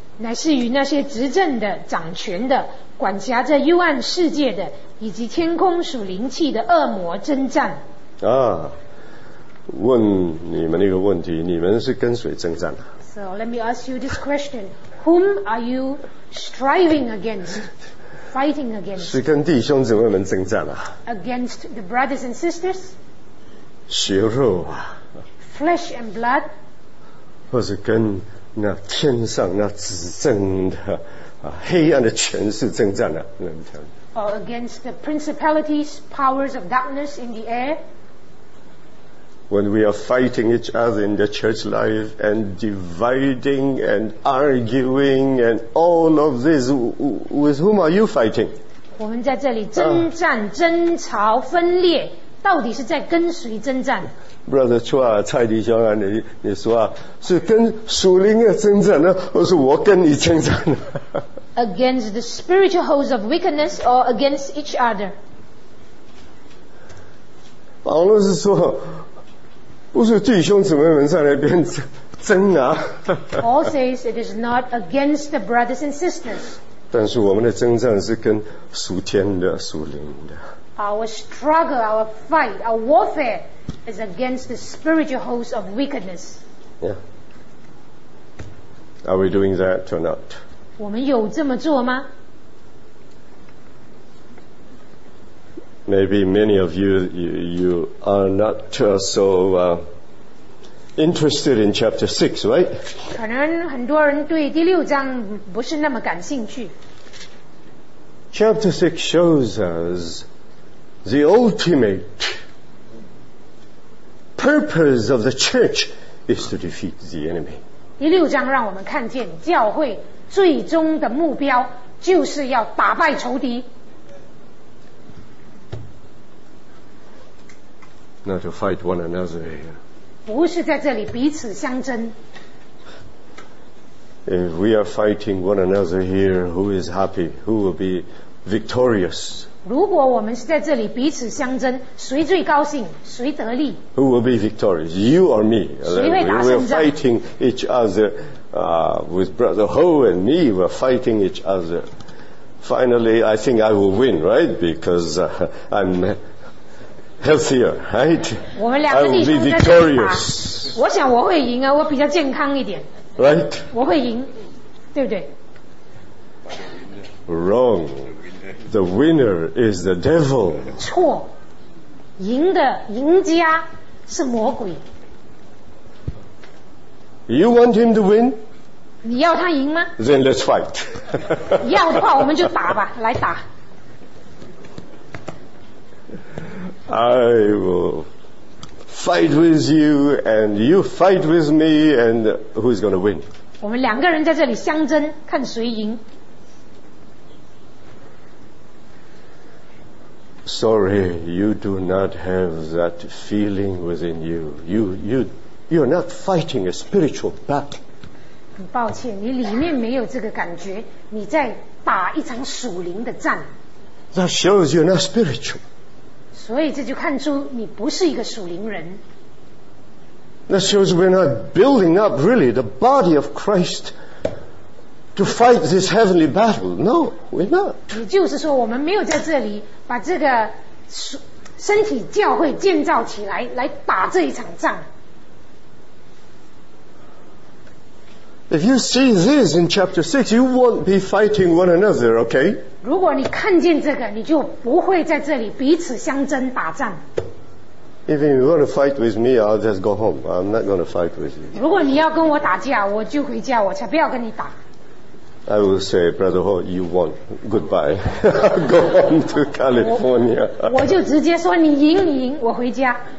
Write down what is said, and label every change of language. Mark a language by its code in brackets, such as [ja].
[zh] 乃是与那些执政的、掌权的、管辖着幽暗世界的，以及天空属灵气的恶魔征战。啊，问你们一个问题，你们是跟谁征战的？ [en] So let me ask you this question: Whom are you striving against, fighting against? [zh] 是跟弟兄姊妹们征战啊。 [en] Against the brothers and sisters? [zh] 血肉啊。 [en] Flesh and blood? [zh] 或是跟那天上那执政的、啊、黑暗的权势征战的、啊、 [en] Or against the principalities, powers of darkness in the air. When we are fighting each other in the church life and dividing and arguing and all of this, with whom are you fighting? [zh] 我们在这里征战、争吵、分裂，到底是在跟谁征战？ Brother Chua, 蔡弟兄啊，你说啊，是跟属灵的征战呢，或是我跟你征战呢？ [en] Against the spiritual hosts of wickedness or against each other? [zh] 保罗是说，不是弟兄姊妹们在那边争啊。 [en] Paul says it is not against the brothers and sisters. [zh] 但是我们的征战是跟属天的、属灵的。 [en] Our struggle, our fight, our warfare is against the spiritual hosts of wickedness. Yeah. Are we doing that or not? [zh] 我们有这么做吗？ [en] Maybe many of you are not interested in chapter 6, right? [zh] 可能很多人对第六章不是那么感兴趣。 [en] Chapter 6 shows us the ultimate purpose of the church is to defeat the enemy. [zh] 第六章让我们看见教会最终的目标就是要打败仇敌。 [en] Not to fight one another here. [zh] 不是在这里彼此相争。 [en] If we are fighting one another here, who is happy? Who will be victorious? [zh] 如果我们是在这里彼此相争，谁最高兴，谁得利？ [en] Who will be victorious? You or me? [zh] 谁会打胜仗？ [en] We're fighting each other, with Brother Ho and me. We're fighting each other. Finally, I think I will win, right? Because I'm healthier, right? [zh] 我们两个弟兄在这里打，我想我会赢啊，我比较健康一点。 [en] Right? [zh] 我会赢，对不对？ [en] Wrong. The winner is the devil. [zh] 错，赢的赢家是魔鬼。 [en] You want him to win? [zh] 你要他赢吗？ [en] Then let's fight. [zh] 要的话我们就打吧，来打。 [en] I will fight with you, and you fight with me, and who's going to win? [zh] 我们两个人在这里相争，看谁赢。 [en] Sorry, you do not have that feeling within you. You're not fighting a spiritual battle. [zh] 很抱歉，你里面没有这个感觉，你在打一场属灵的战。 [en] That shows you're not spiritual. [zh] 所以这就看出你不是一个属灵人。 [en] That shows we're not building up really the body of Christ. To fight this heavenly battle. No, we're not. [zh] 也就是说我们没有在这里把这个身体教会建造起来，来打这一场仗。 [en] If you see this in chapter 6, you won't be fighting one another, okay? [zh] 如果你看见这个，你就不会在这里彼此相争打仗。 [en] If you want to fight with me, I'll just go home. I'm not going to fight with you. [zh] 如果你要跟我打架，我就回家，我才不要跟你打。 [en] I will say, Brother Ho, you won. Goodbye. Go home to California. [zh] 我就直接说你赢，你赢，我回家。